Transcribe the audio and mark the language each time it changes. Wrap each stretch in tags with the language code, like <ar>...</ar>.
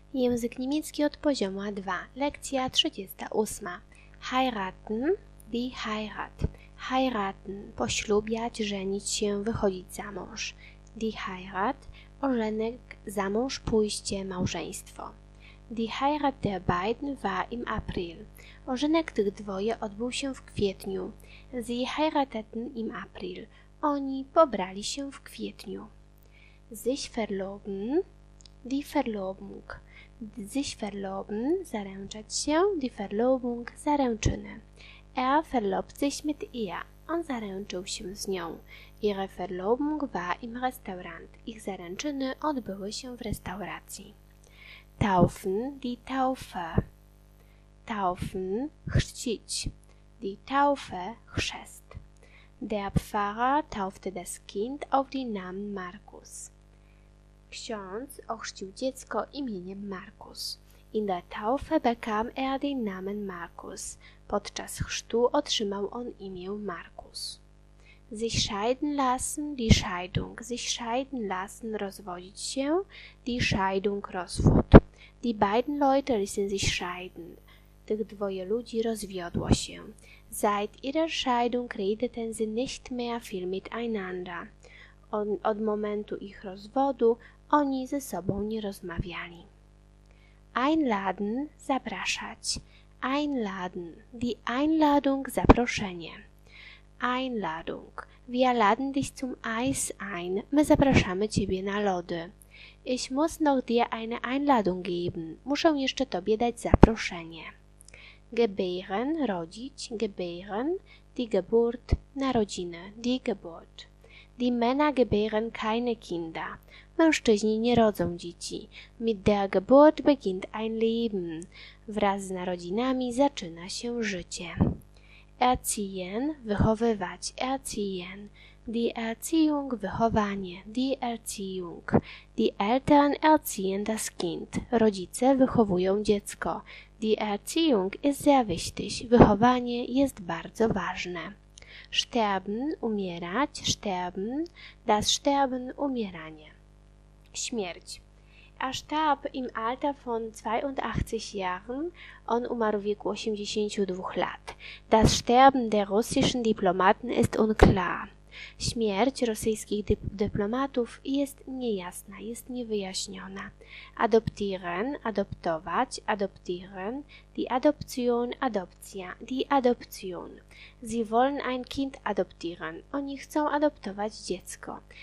<pl>Język niemiecki od poziomu A2. Lekcja 38.</pl> <de>Heiraten, die Heirat. Heiraten,</de> <pl>poślubiać, żenić się, wychodzić za mąż.</pl> <de>Die Heirat,</de> <pl>ożenek, za mąż, pójście, małżeństwo.</pl> <de>Die Heirat der beiden war im April.</de> <pl>Ożenek tych dwoje odbył się w kwietniu.</pl> <de>Sie heirateten im April.</de> <pl>Oni pobrali się w kwietniu.</pl> <de>Sich verloben, die Verlobung. Sich verloben, zaręczać się, die Verlobung, zaręczyny. Er verlobt sich mit ihr.</de> <pl>On zaręczył się z nią.</pl> <de>Ihre Verlobung war im Restaurant.</de> <pl>Ich zaręczyny odbyły się w restauracji.</pl> <de>Taufen, die Taufe. Taufen, chrzcić. Die Taufe, chrzest. Der Pfarrer taufte das Kind auf den Namen Markus.</de> <pl>Ksiądz ochrzcił dziecko imieniem Markus.</pl> <de>In der Taufe bekam den Namen Markus.</de> <pl>Podczas chrztu otrzymał on imię Markus.</pl> <de>Sich scheiden lassen, die Scheidung. Sich scheiden lassen,</de> <pl>rozwodzić się,</pl> <de>die Scheidung, rozwód. Die beiden Leute ließen sich scheiden.</de> <pl>Tych dwoje ludzi rozwiodło się.</pl> <de>Seit ihrer Scheidung redeten sie nicht mehr viel miteinander.</de> <pl>Od momentu ich rozwodu oni ze sobą nie rozmawiali.</pl> <de>Einladen, zapraszać. Einladen, die Einladung, zaproszenie. Einladung, wir laden dich zum Eis ein.</de> <pl>My zapraszamy ciebie na lody.</pl> <de>Ich muss noch dir eine Einladung geben.</de> <pl>Muszę jeszcze tobie dać zaproszenie.</pl> <de>Gebären, rodzić. Gebären, die Geburt, narodziny. Die Geburt. Die Männer gebären keine Kinder.</de> <pl>Mężczyźni nie rodzą dzieci.</pl> <de>Mit der Geburt beginnt ein Leben.</de> <pl>Wraz z narodzinami zaczyna się życie.</pl> <de>Erziehen, wychowywać. Erziehen. Die Erziehung, wychowanie. Die Erziehung. Die Eltern erziehen das Kind.</de> <pl>Rodzice wychowują dziecko.</pl> <de>Die Erziehung ist sehr wichtig.</de> <pl>Wychowanie jest bardzo ważne.</pl> <de>Sterben, umierać. Sterben, das Sterben, umieranie. Śmierć. Er starb im Alter von 82 Jahren.</de> <pl>On umarł w wieku 82 lat.</pl> <de>Das Sterben der russischen Diplomaten ist unklar.</de> <pl>Śmierć rosyjskich dyplomatów jest niejasna, jest niewyjaśniona.</pl> <de>Adoptieren, adoptować, adoptieren, die Adoption, adopcja, die Adoption. Sie wollen ein Kind adoptieren.</de> <pl>Oni chcą adoptować dziecko.</pl>